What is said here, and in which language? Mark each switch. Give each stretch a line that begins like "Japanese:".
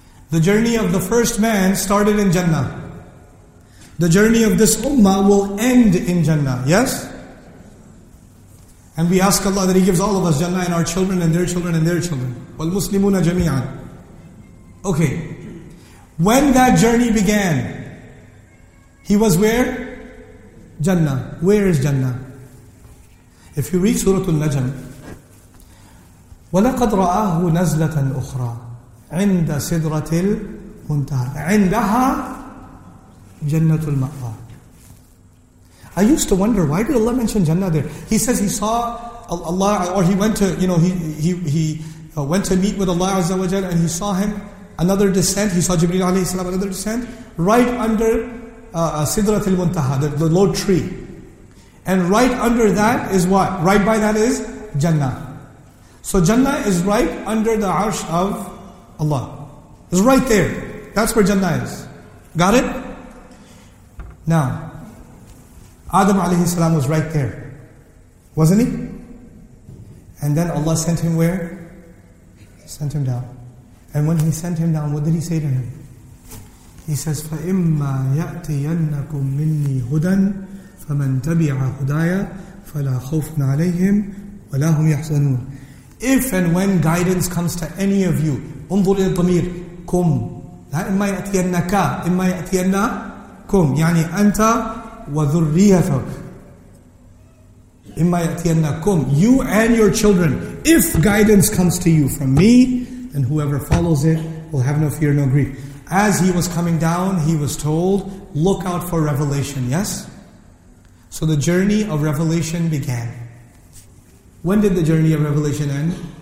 English: The journey of the first man started in Jannah. The journey of this ummah will end in Jannah, yes? And we ask Allah that He gives all of us Jannah, and our children and their children and their children.
Arabic: وَالْمُسْلِمُونَ جَمِيعًا.
English: Okay. When that journey began, he was where? Jannah. Where is Jannah? If you read Surah Al-Najm,
Arabic: وَلَقَدْ رَآهُ نَزْلَةً أُخْرَى عِنْدَ سِدْرَةِ الْمُنْتَهَى عِنْدَهَا جَنَّةُ الْمَأْوَى.
English: I used to wonder, why did Allah mention Jannah there? He says He saw Allah, or He went to, you know, He went to meet with Allah Azza wa Jal, and He saw Him, another descent, He saw Jibreel alayhi salam, another descent, right under Sidratul Muntaha, the low tree. And right under that is what? Right by that is Jannah. So Jannah is right under the Arsh of Allah. It's right there. That's where Jannah is. Got it? Now, Adam alayhi salam was right there, wasn't he? And then Allah sent him where? Sent him down. And when He sent him down, what did He say to him? He says,
Arabic: فَإِمَّا يَأْتِيَنَّكُم مِّنِّي هُدًى فَمَنْ تَبِعَ هُدَايَ فَلَا خَوْفٌ عَلَيْهِمْ وَلَا هُمْ يَحْزَنُونَ.
English: If and when guidance comes to any of you,
Arabic: انظر إلى الضمير كُم. إِمَّا يَأْتِيَنَّكَ إِمَّا يَأْتِيَنَّكُم يعني أنت وذريتك. إِمَّا يَأْتِيَنَّكُم
English: you and your children. If guidance comes to you from me, and whoever follows it will have no fear, no grief. As He was coming down, He was told, look out for revelation, yes? So the journey of revelation began. When did the journey of revelation end?